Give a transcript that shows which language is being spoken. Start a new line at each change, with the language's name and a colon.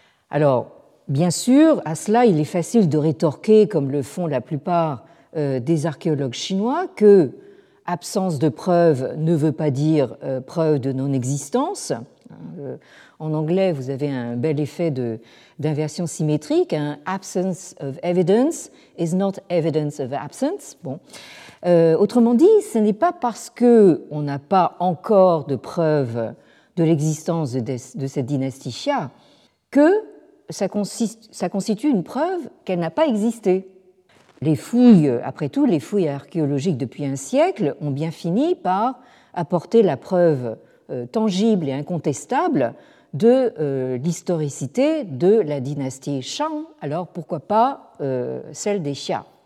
French: Alors, bien sûr, à cela, il est facile de rétorquer, comme le font la plupart des archéologues chinois, que absence de preuve ne veut pas dire preuve de non-existence. En anglais, vous avez un bel effet d'inversion symétrique. Hein.
English: Absence of evidence is not evidence of absence.
French: Bon. Autrement dit, ce n'est pas parce qu'on n'a pas encore de preuve de l'existence de cette dynastie Xia que ça constitue une preuve qu'elle n'a pas existé. Les fouilles archéologiques depuis un siècle ont bien fini par apporter la preuve tangible et incontestable de l'historicité de la dynastie Shang, alors pourquoi pas celle des Xia.